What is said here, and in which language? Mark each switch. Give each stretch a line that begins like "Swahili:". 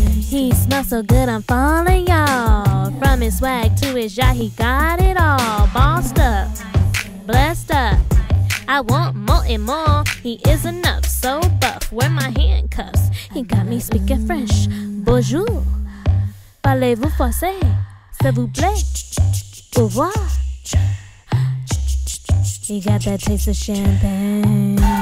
English: He smells so good, I'm falling, y'all. From his swag to his yacht, he got it all. Bossed up, blessed up. I want more and more. He is enough, so buff. Wear my handcuffs. He got me speaking French.
French: Bonjour, parlez-vous français, s'il vous plaît, au revoir.
English: He got that taste of champagne.